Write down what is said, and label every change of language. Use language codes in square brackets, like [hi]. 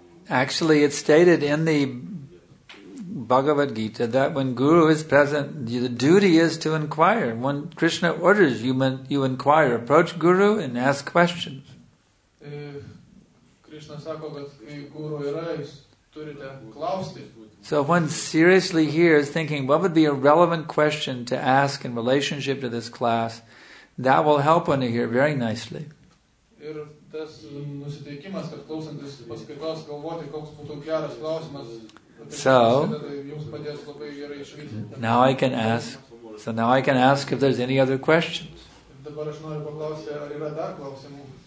[en] Actually, it's stated in the Bhagavad Gita that when Guru is present, the duty is to inquire. When Krishna orders, you inquire, approach Guru and ask questions. [lt] Krishna sako, kad kai Guru yra, jūs turite klausti. [en] So if one seriously hears, thinking, what would be a relevant question to ask in relationship to this class, that will help one to hear very nicely. [lt] tas nusiteikimas, kad klausantis paskaitos galvoti, koks būtų geras klausimas. [en] So, [lt] jums padės labai gerai išvystyti. [en] Now I can ask. So now I can ask if there's any other questions. [lt] Dabar aš noriu paklausti, ar yra dar klausimų?